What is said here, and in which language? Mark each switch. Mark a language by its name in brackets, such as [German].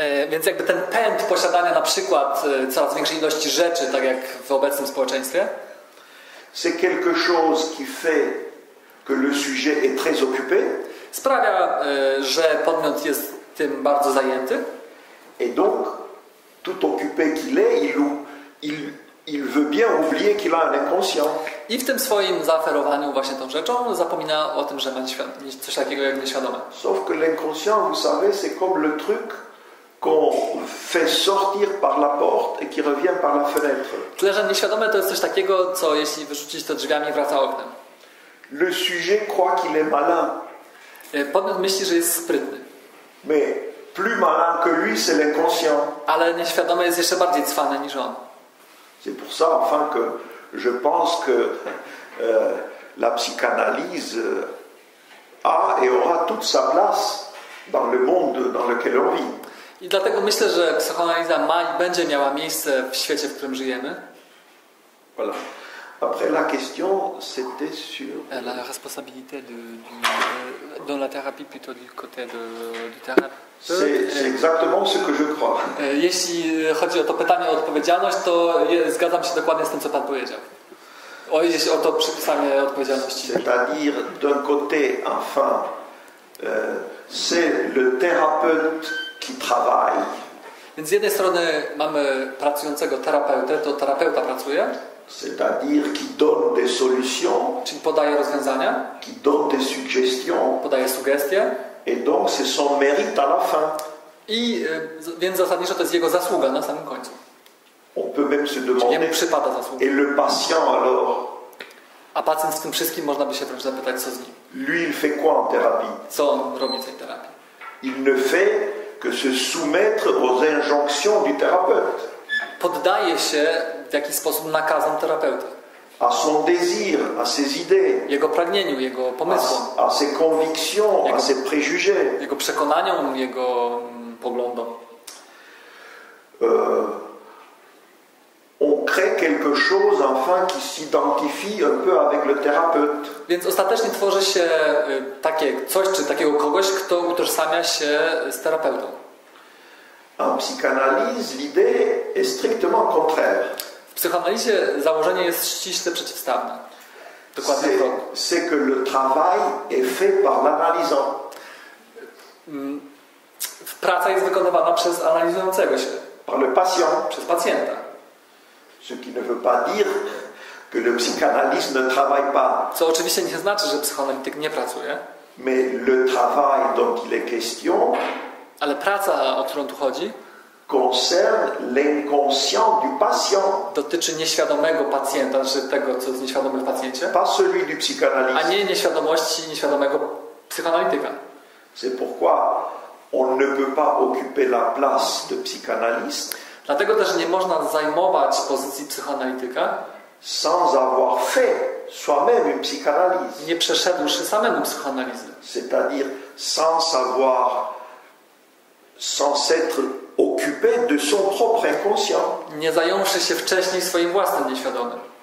[Polish] Więc jakby ten pęd posiadania na przykład coraz większej ilości rzeczy, tak jak w obecnym społeczeństwie. [French] C'est quelque chose qui fait que le sujet est très occupé. [Polish] Sprawia, że podmiot jest tym bardzo zajęty. [French] Et donc tout occupé qu'il est, il veut bien oublier qu'il a un inconscient. [Polish] I w tym swoim zaaferowaniu właśnie tą rzeczą zapomina o tym, że ma coś takiego jak nieświadome. [French] Sauf que l'inconscient, vous savez, c'est comme le truc qu'on fait sortir par la porte et qui revient par la fenêtre. [Polish] Tyle, że nieświadome to jest coś takiego, co jeśli wyrzucić to drzwiami, wraca oknem. [French] Le sujet croit qu'il est malin. [Polish] Podmiot myśli, że jest sprytny. [French] Mais plus malin que lui, c'est l'inconscient. [Polish] Ale nieświadomy jest jeszcze bardziej cwany niż on. [French] C'est pour ça enfin que je pense que la psychanalyse a et aura toute sa place dans le monde dans lequel on vit. [Polish] I dlatego myślę, że psychoanaliza ma i będzie miała miejsce w świecie, w którym żyjemy. [French] Voilà. Après la question, c'était sur la responsabilité de la thérapie plutôt du côté de thérapie. C'est exactement ce que je crois. [Polish] Jeśli chodzi o to pytanie o odpowiedzialność, to zgadzam się dokładnie z tym, co pan powiedział. Jeśli o to przypisanie odpowiedzialności. [French] C'est-à-dire d'un côté, enfin, c'est le thérapeute qui travaille. [Polish] Więc z jednej strony mamy pracującego terapeutę, to terapeuta pracuje. [French] C'est-à-dire qui donne des solutions. [Polish] Czyli podaje rozwiązania. [French] Qui donne des suggestions. [Polish] Podaje sugestie. [French] Et donc c'est son mérite à la fin. [Polish] I więc zasadniczo to jest jego zasługa na samym końcu. [French] On peut même se demander. [Polish] Przypada zasługa. [French] Et le patient alors. [Polish] A pacjent z tym wszystkim można by się wręcz zapytać, co z nim. [French] Lui il fait quoi en thérapie? [Polish] Co on robi w tej terapii? [French] Il ne fait que se soumettre aux injonctions du thérapeute. [Polish] Poddaje się w jakiś sposób nakazom terapeuty. [French] A son désir, a ses idées, [Polish] jego pragnieniu, jego pomysłom, [French] a ses convictions, jego, a ses préjugés, [Polish] jego przekonaniom, jego poglądom. [French] On crée quelque chose enfin qui s'identifie un peu avec le thérapeute. [Polish] Więc ostatecznie tworzy się takie coś czy takiego kogoś, kto utożsamia się z terapeutą. [French] En psychanalyse, l'idée est strictement contraire. [Polish] W psychoanalizie założenie jest ściśle przeciwstawne. Dokładnie to. [French] C'est que le travail est fait par l'analysant. [Polish] Praca jest wykonywana przez analizującego się. [French] Par le patient. [Polish] Przez pacjenta. [French] Ce qui ne veut pas dire que le psychanalyste ne travaille pas. [Polish] Co oczywiście nie znaczy, że psychoanalityk nie pracuje. [French] Mais le travail dont il est question. [Polish] Ale praca, o którą tu chodzi, [French] concerne l'inconscient du patient. [Polish] Dotyczy nieświadomego pacjenta, czy tego, co jest nieświadome w pacjencie. [French] Pas celui du psychanalyste. [Polish] A nie nieświadomości nieświadomego psychoanalityka. [French] C'est pourquoi on ne peut pas occuper la place de psychanalyste. [Polish] Dlatego też nie można zajmować pozycji psychoanalityka [French] sans avoir fait soi-même une psychanalyse. [Polish] Nie przeszedłszy samemu psychoanalizy. [French] C'est-à-dire sans avoir sans être occupé de son propre inconscient. [Polish] Nie zająwszy się wcześniej swoim własnym nieświadomym.